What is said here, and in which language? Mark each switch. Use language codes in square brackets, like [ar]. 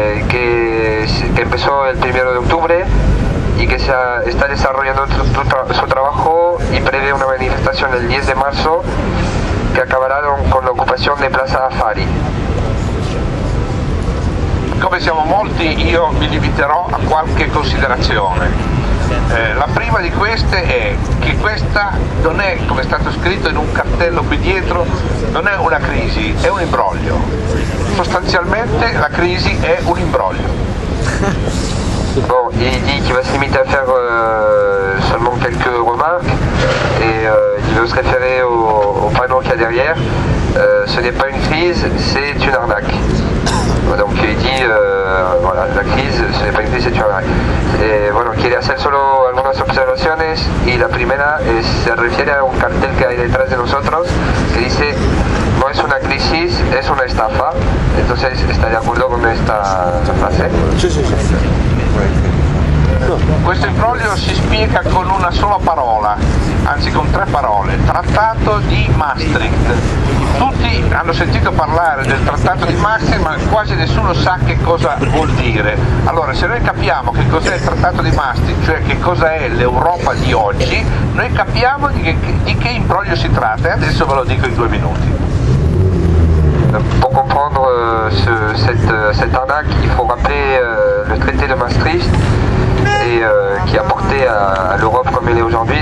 [es] Que empezó el 1° de octubre y que está desarrollando su trabajo y prevé una manifestación el 10 de marzo que acabará con la ocupación de Plaza Affari. [it] Come siamo molti, io mi limiterò a qualche considerazione. La prima di queste è che questa non è, come è stato scritto in un cartello qui dietro, non è una crisi, è un imbroglio. Sostanzialmente la crisi è un imbroglio. [fr] Bon, il dit qu'il va se limiter à faire seulement quelques remarques et il veut se référer au panneau qu'il y a derrière. Ce n'est pas une crise, c'est une arnaque. Donc il dit, la crise, ce n'est pas une crise, c'est une arnaque. Et voilà, il [es] quiere hacer solo algunas observaciones y la primera se refiere a un cartel que hay detrás de nosotros que dice no es una crisis, es una estafa. Entonces, ¿está de acuerdo con esta frase? Sí, sí, sí. [it] Questo imbroglio si spiega con una sola parola, anzi con tre parole, trattato di Maastricht. Tutti hanno sentito parlare del trattato di Maastricht, ma quasi nessuno sa che cosa vuol dire. Allora, se noi capiamo che cos'è il trattato di Maastricht, cioè che cosa è l'Europa di oggi, noi capiamo di che imbroglio si tratta, e adesso ve lo dico in 2 minuti. [fr] Pour comprendre cette arnaque, il faut rappeler le traité de Maastricht et qui a porté à l'Europe comme elle est aujourd'hui.